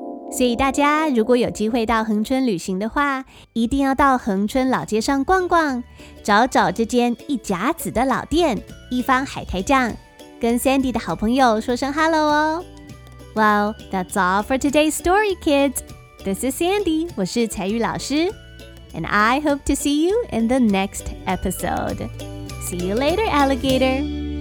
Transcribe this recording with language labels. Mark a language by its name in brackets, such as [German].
[Chinese] 所以大家如果有机会到恒春旅行的话，一定要到恒春老街上逛逛，找找这间一甲子的老店一方海苔酱，跟 Sandy 的好朋友说声 Hello 哦。 [English] Well, that's all for today's story, kids. This is Sandy, [Chinese] 我是彩玉老师。 [English] And I hope to see you in the next episode. See you later, alligator!